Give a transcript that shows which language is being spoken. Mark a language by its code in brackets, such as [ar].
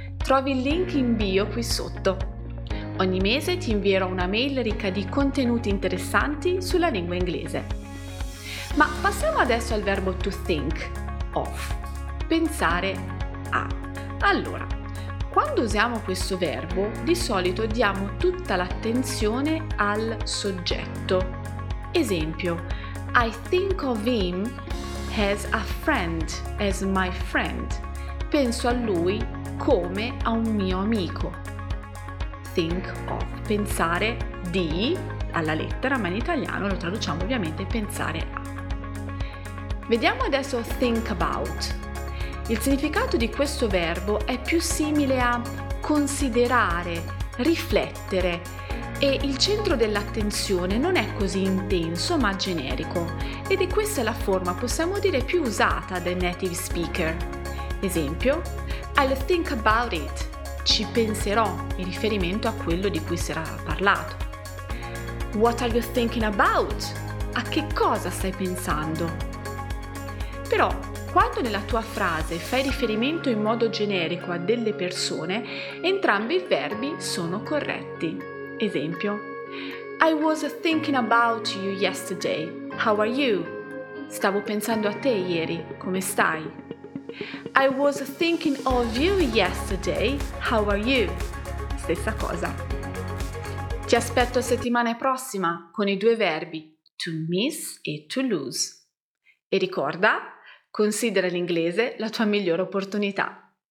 [it] Trovi il link in bio qui sotto. Ogni mese ti invierò una mail ricca di contenuti interessanti sulla lingua inglese. Ma passiamo adesso al verbo to think of, pensare a. Allora, quando usiamo questo verbo, di solito diamo tutta l'attenzione al soggetto. Esempio, [en] I think of him as a friend, as my friend. [it] Penso a lui come a un mio amico. [en] Think of, [it] pensare di, alla lettera, ma in italiano lo traduciamo ovviamente pensare a. Vediamo adesso think about. Il significato di questo verbo è più simile a considerare, riflettere, e il centro dell'attenzione non è così intenso ma generico, ed è questa la forma, possiamo dire, più usata dai native speaker. Esempio, [en] I'll think about it. [it] Ci penserò, in riferimento a quello di cui si era parlato. [en] What are you thinking about? [it] A che cosa stai pensando? Però, quando nella tua frase fai riferimento in modo generico a delle persone, entrambi i verbi sono corretti. Esempio, [en] I was thinking about you yesterday. How are you? [it] Stavo pensando a te ieri, come stai? [en] I was thinking of you yesterday. How are you? [it] Stessa cosa. Ti aspetto settimana prossima con i due verbi to miss e to lose. E ricorda, considera l'inglese la tua migliore opportunità.